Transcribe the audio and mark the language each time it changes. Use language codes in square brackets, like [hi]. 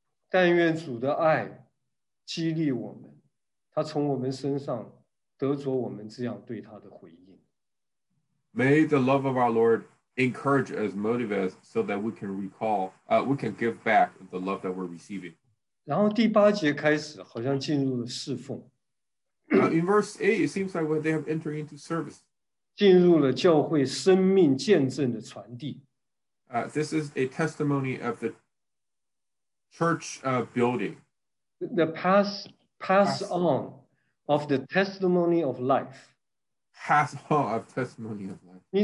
[zh] 但愿主的爱激励我们, 他从我们身上得着我们这样对他的回应。 [en] May the love of our Lord encourage us, motivate us, so that we can recall, we can give back the love that we're receiving. [zh] 然后第八节开始, 好像进入了侍奉。 [en] In verse 8, it seems like they have entered into service. [zh] 进入了教会生命见证的传递。 [en] This is a testimony of the church building. The pass on of the testimony of life. Pass on of testimony of life.